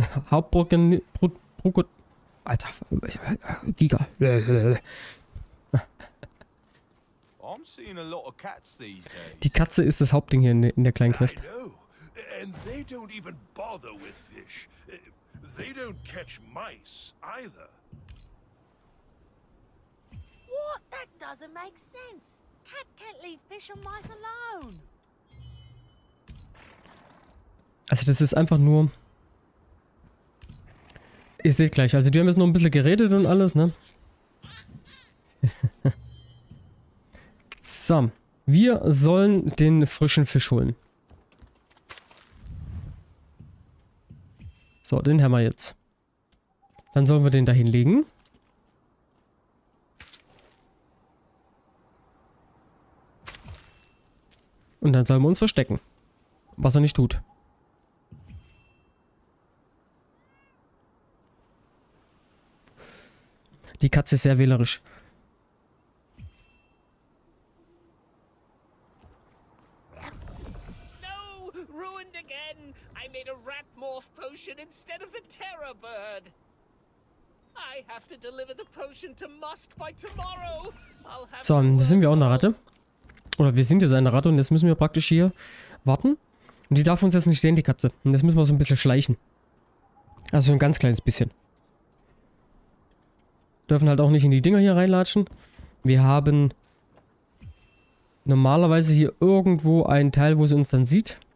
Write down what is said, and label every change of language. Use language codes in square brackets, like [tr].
[de] Hauptbrocken. Alter. Giga. Die Katze ist das Hauptding hier in der kleinen Quest. [en] And they don't even bother with fish. They don't catch mice either. What? That doesn't make sense. Cat can't leave fish and mice alone. [de] Also das ist einfach nur. Ihr seht gleich, also die haben jetzt nur ein bisschen geredet und alles, ne? So, wir sollen den frischen Fisch holen. So, den haben wir jetzt. Dann sollen wir den da hinlegen. Und dann sollen wir uns verstecken. Was er nicht tut. Die Katze ist sehr wählerisch. [en] Instead of the terror bird, I have to deliver the potion to Musk by tomorrow. [de] So, jetzt sind wir auch eine Ratte. Oder wir sind jetzt eine Ratte und jetzt müssen wir praktisch hier warten. Und die darf uns jetzt nicht sehen, die Katze. Und jetzt müssen wir so ein bisschen schleichen. Also ein ganz kleines bisschen. Dürfen halt auch nicht in die Dinger hier reinlatschen. Wir haben normalerweise hier irgendwo einen Teil, wo sie uns dann sieht.